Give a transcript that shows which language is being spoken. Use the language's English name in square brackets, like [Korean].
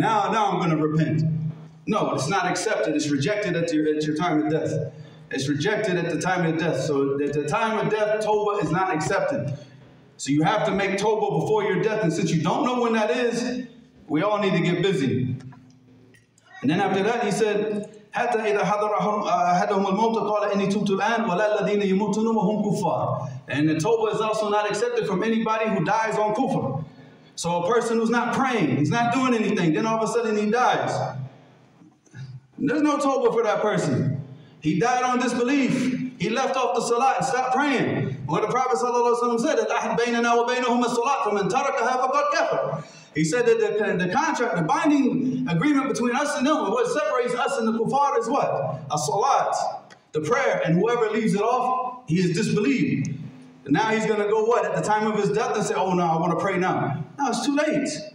[English] Now I'm going to repent. No, it's not accepted. It's rejected at your time of death. It's rejected at the time of death. So at the time of death, Tawbah is not accepted. So you have to make Tawbah before your death. And since you don't know when that is, we all need to get busy. And then after that, he said, [Arabic] حَتَّى إِذَا حَضَرَ أَحَدَهُمُ الْمَوْتُ قَالَ إِنِّي تُبْتُ الْآنَ وَلَا الَّذِينَ يَمُوتُونَ وَهُمْ كُفَّارٌ. [English] And the Tawbah is also not accepted from anybody who dies on kufr. So a person who's not praying, he's not doing anything, then all of a sudden he dies. And there's no Tawbah for that person. He died on disbelief. He left off the salat and stopped praying. When the Prophet ﷺ said that [Arabic] أَحَدْ بَيْنَنَا وَبَيْنَهُمَ الصَّلَاةِ فَمَنْ تَرَكَهَا فَقَدْ كَفَرَ. [English] He said that the contract, the binding agreement between us and them, what separates us and the kuffar is what? A salat, the prayer, and whoever leaves it off, he is disbelieved. And now he's going to go what? At the time of his death and say, oh no, I want to pray now. No, it's too late.